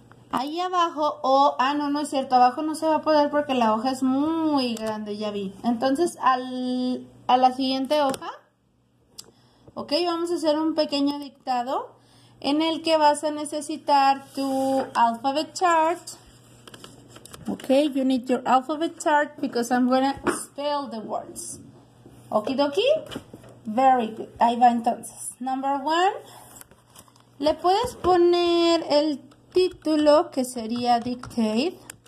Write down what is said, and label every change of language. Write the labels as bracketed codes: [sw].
[es] Ahí abajo, no, no es cierto, abajo no se va a poder porque la hoja es muy grande, ya vi. Entonces, a la siguiente hoja, ok, vamos a hacer un pequeño dictado en el que vas a necesitar tu alphabet chart. [en] Ok, you need your alphabet chart because I'm gonna spell the words. Okidoki, very good. [es] Ahí va entonces. [en] Number one, [es] le puedes poner el título que sería dictate.